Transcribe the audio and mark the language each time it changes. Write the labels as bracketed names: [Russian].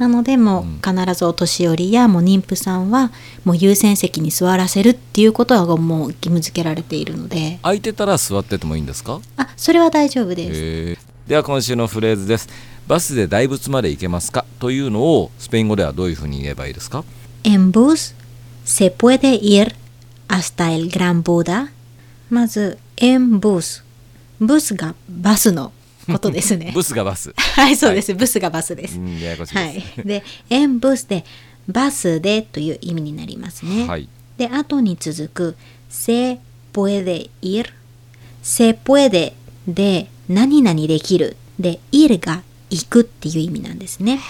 [Japanese] なのでもう必ずお年寄りやもう妊婦さんはもう優先席に座らせるっていうことはもう義務付けられているので。空いてたら座っててもいいんですか？あ、それは大丈夫です。では今週のフレーズです。バスで大仏まで行けますかというのをスペイン語ではどういうふうに言えばいいですか？ [Spanish] En bus se puede ir hasta el gran Buda。 [Japanese] まず [Spanish] En bus、 [Japanese] ブスがバスのことですね。ブスがバス。はい、そうです、はい、ブスがバスです。ややこしいです。はい、で、エンブスでバスでという意味になりますね。はい、で、後に続くセプエデイル、セプエデで何々できる、でイルが行くっていう意味なんですね。